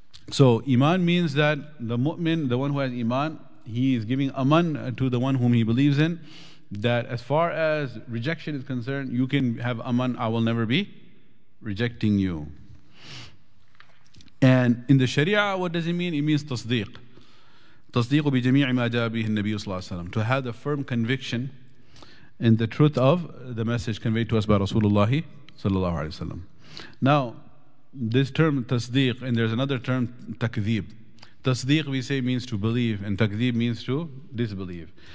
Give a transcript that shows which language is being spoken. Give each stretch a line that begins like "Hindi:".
English: So iman means that the mu'min, the one who has iman, he is giving aman to the one whom he believes in, that as far as rejection is concerned, you can have aman, I will never be rejecting you. And in the sharia, what does it mean? It means tasdeeq.
Arabic: تصديق بجميع ما جاء به النبي صلى الله عليه وسلم.
English: To have a firm conviction in the truth of the message conveyed to us by Rasulullah صلى الله عليه وسلم. Now, this term تصديق, and there's another term تكذيب. تصديق we say means to believe, and تكذيب means to disbelieve.